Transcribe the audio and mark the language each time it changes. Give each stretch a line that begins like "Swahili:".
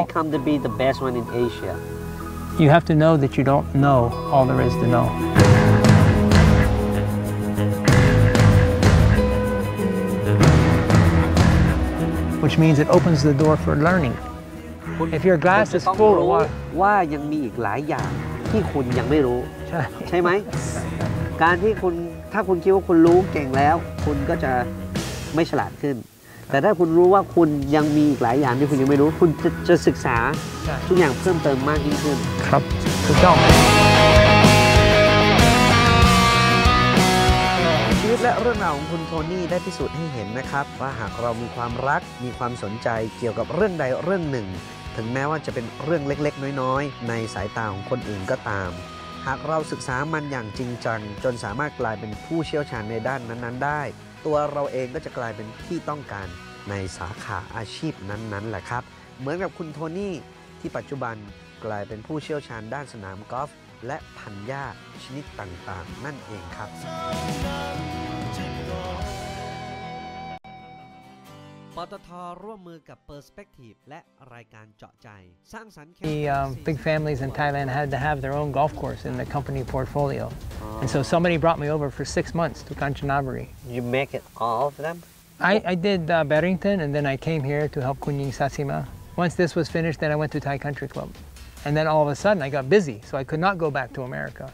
English: how come to be the best one in Asia? You have to know that you don't know all there is to know. Which means it opens the door for learning. If your glass is full of water,
Thai: ว่ายังมีอีกหลายอย่างที่คุณยังไม่รู้ ใช่ไหมการที่คุณถ้าคุณคิดว่าคุณรู้เก่งแล้วคุณก็จะไม่ฉลาดขึ้นแต่ถ้าคุณรู้ว่าคุณยังมีอีกหลายอย่างที่คุณยังไม่รู้คุณจะศึกษาทุกอย่างเพิ่มเติมมากยิ่งขึ้น ครับถูกต้อง และเรื่องราวของคุณโทนี่ได้พิสูจน์ให้เห็นนะครับว่าหากเรามีความรักมีความสนใจเกี่ยวกับเรื่องใดเรื่องหนึ่งถึงแม้ว่าจะเป็นเรื่องเล็กๆน้อยๆในสายตาของคนอื่นก็ตามหากเราศึกษามันอย่างจริงจังจนสามารถกลายเป็นผู้เชี่ยวชาญในด้านนั้นๆได้ตัวเราเองก็จะกลายเป็นที่ต้องการในสาขาอาชีพนั้นๆแหละครับเหมือนกับคุณโทนี่ที่ปัจจุบันกลายเป็นผู้เชี่ยวชาญด้านสนามกอล์ฟและพันหญ้าชนิดต่างๆนั่นเองครับ ปตท. ร่วมมือกับ Perspective และรายการเจาะใจสร้างสรรค์
English: Big families in Thailand had to have their own golf course in the company portfolio. And so somebody brought me over for 6 months to Kanchanaburi. You make it all of them? I did Barrington and then I came here to help Kunying Satsima. Once this was finished then I went to Thai Country Club. And then all of a sudden I got busy so I could not go back to America.